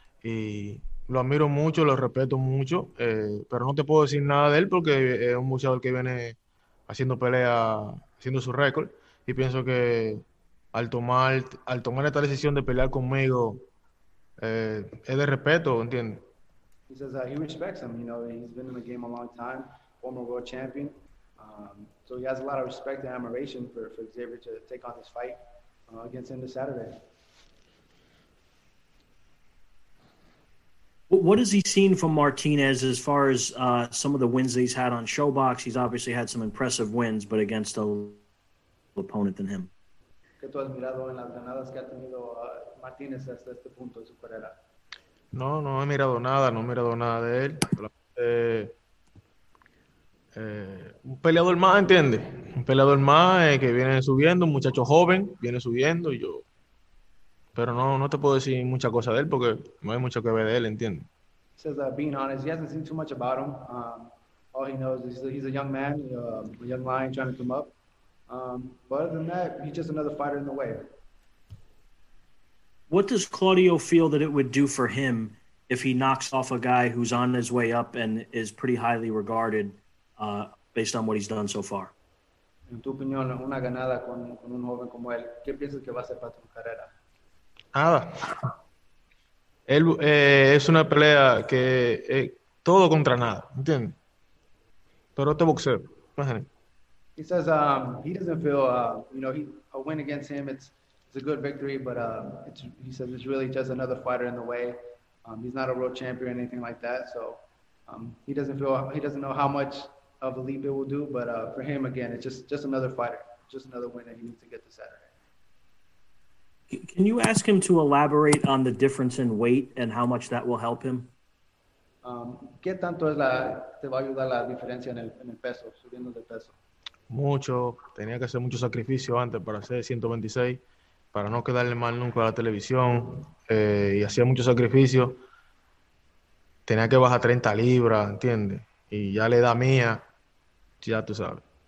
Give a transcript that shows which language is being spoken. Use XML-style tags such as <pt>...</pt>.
<es>Y lo admiro mucho, lo respeto mucho, pero no te puedo decir nada de él porque es un boxeador que viene haciendo pelea, haciendo su récord. Y pienso que al tomar esta decisión de pelear conmigo, es de respeto, ¿entiendes?</es> <en>He says that he respects him. You know, he's been in the game a long time, former world champion. So he has a lot of respect and admiration for Xavier to take on this fight against him this Saturday. What has he seen from Martinez as far as some of the wins that he's had on Showbox? He's obviously had some impressive wins, but against a opponent than him.</en> <es>¿Qué tú has mirado en las ganadas que ha tenido Martínez hasta este punto de su carrera? No, no he mirado nada, no he mirado nada de él. Un peleador más, ¿entiende? Un peleador más que viene subiendo, un muchacho joven, viene subiendo y yo. Pero no, no te puedo decir mucha cosa de él porque no hay mucho que ver de él, ¿entiendes?</es> <en>Says that being honest, he hasn't seen too much about him. All he knows is he's a young man, a young lion trying to come up. But other than that, he's just another fighter in the way. What does Claudio feel that it would do for him if he knocks off a guy who's on his way up and is pretty highly regarded, based on what he's done so far?</en> <es>En tu opinión, una ganada con un joven como él, ¿qué piensas que va a hacer para tu carrera? Nada. Él es una pelea que es todo contra nada, ¿entiendes? Pero este boxeo, imagínate.</es> <en>He says he doesn't feel a win against him, it's a good victory, but he says it's really just another fighter in the way. He's not a world champion or anything like that, so he doesn't know how much of a leap it will do, but for him again, it's just another fighter, just another win that he needs to get this Saturday. Can you ask him to elaborate on the difference in weight and how much that will help him?</en> <es>¿Qué tanto es la te va a ayudar la diferencia en el peso, subiendo de peso? Mucho, tenía que hacer mucho sacrificio antes para hacer 126, para no quedarle mal nunca a la televisión, y hacía mucho sacrificio. Tenía que bajar 30 libras, ¿entiendes? Y ya la edad mía, ya tú sabes.</es>